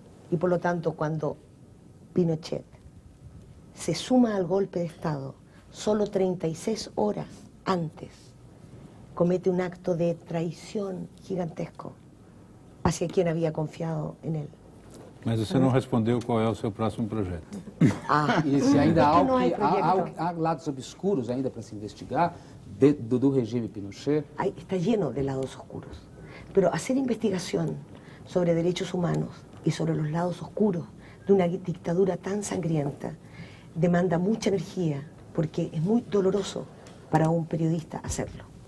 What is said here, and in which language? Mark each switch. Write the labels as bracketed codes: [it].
[es] Y por lo tanto, cuando Pinochet se suma al golpe de Estado, solo 36 horas antes, comete un acto de traición gigantesco hacia quien había confiado en él. [pt] Mas você não respondeu qual é o seu próximo projeto. Ah, isso, ainda há, há lados obscuros ainda para se investigar do regime Pinochet. [es] Ay, está lleno de lados oscuros. Pero hacer investigación sobre derechos humanos y sobre los lados oscuros de una dictadura tan sangrienta demanda mucha energía porque es muy doloroso para un periodista hacerlo.